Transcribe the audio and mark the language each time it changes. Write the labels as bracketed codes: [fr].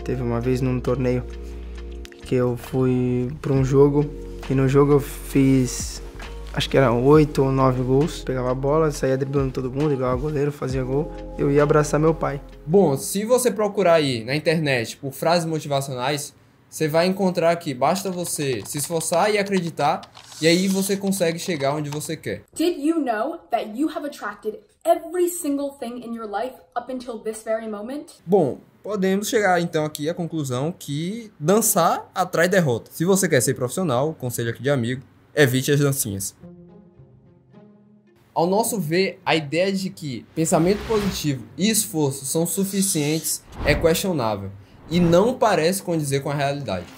[pt] Teve uma vez num torneio que eu fui para um jogo e no jogo eu fiz, acho que eram 8 ou 9 gols. Pegava a bola, saía driblando todo mundo, igual goleiro, fazia gol. Eu ia abraçar meu pai. Bom, se você procurar aí na internet por frases motivacionais, você vai encontrar que basta você se esforçar e acreditar, e aí você consegue chegar onde você quer. [en] Did you know that you have attracted every single thing in your life up until this very moment? [pt] Bom, podemos chegar então aqui à conclusão que dançar atrai derrota. Se você quer ser profissional, conselho aqui de amigo, evite as dancinhas. Ao nosso ver, a ideia de que pensamento positivo e esforço são suficientes é questionável e não parece condizer com a realidade.